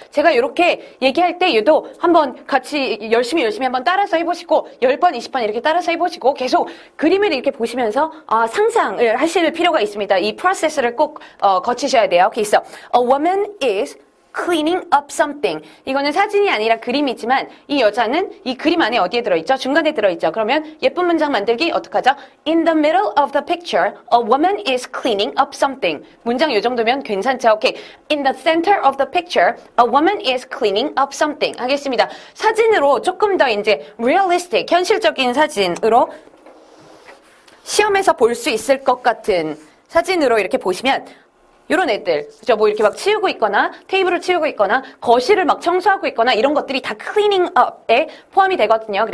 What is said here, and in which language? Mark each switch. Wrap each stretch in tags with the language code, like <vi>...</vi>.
<ko>제가 이렇게 얘기할 때 유도 한번 같이 열심히 한번 따라서 해보시고 10번, 20번 이렇게 따라서 해보시고 계속 그림을 이렇게 보시면서 상상을 하실 필요가 있습니다. 이 프로세스를 꼭 거치셔야 돼요.</ko> <en>Okay, so a woman is cleaning up something.</en> <ko>이거는 사진이 아니라 그림이지만 이 여자는 이 그림 안에 어디에 들어있죠? 중간에 들어있죠. 그러면 예쁜 문장 만들기 어떡하죠?</ko> <en>In the middle of the picture, a woman is cleaning up something.</en> <ko>문장 요 정도면 괜찮죠? Okay.</ko> <en>In the center of the picture, a woman is cleaning up something.</en> <ko>하겠습니다. 사진으로 조금 더 이제 realistic, 현실적인 사진으로 시험에서 볼 수 있을 것 같은 사진으로 이렇게 보시면 이런 애들, 그죠? 뭐 이렇게 막 치우고 있거나 테이블을 치우고 있거나 거실을 막 청소하고 있거나 이런 것들이 다 cleaning up에 포함이 되거든요.</ko>